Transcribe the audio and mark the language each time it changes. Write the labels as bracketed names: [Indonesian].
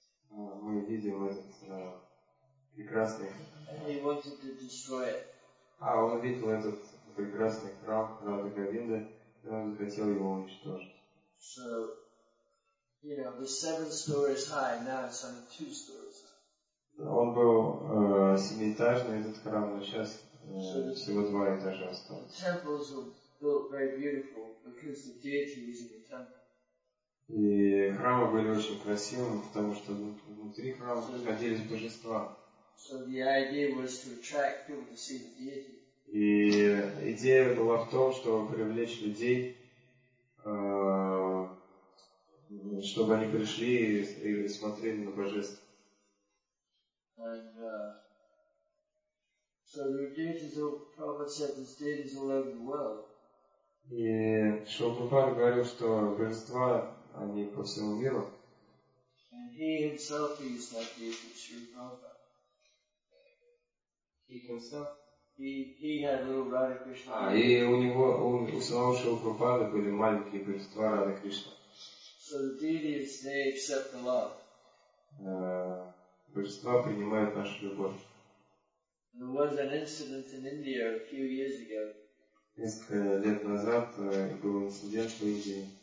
[Russian] Мы видим этот прекрасный. [English] And he wanted to destroy it. [Russian] Он видел этот прекрасный храм Радха Говинды, и он захотел его уничтожить. [English] So, you know, the seven stories high, now it's only two stories high. [Russian] Он был семиэтажный, этот храм, но сейчас всего два этажа осталось. [English] The temples were built very beautiful because the deity was in the temple. [Russian] И храмы были очень красивыми, потому что внутри храма находились божества. [English] So the idea was to attract people to see the deity. [Russian] И идея была в том, чтобы привлечь людей, чтобы они пришли и смотрели на божество. [English] And, so the deities, all, Prabhupada said, the deities all over the world. [Russian] И Шрилапрабхупада говорил, что божества, они по всему миру. [English] And he himself used that deity, Shri Prabhupada. He had little Radha Krishna. [Russian] И у него, у самого Шрилапрабхупады были маленькие божества Радха Кришна. [English] So the deities, they accept the love. [Russian] Божества принимают нашу любовь. [English] There was an incident in India a few years ago. [Russian] Несколько лет назад был инцидент в Индии.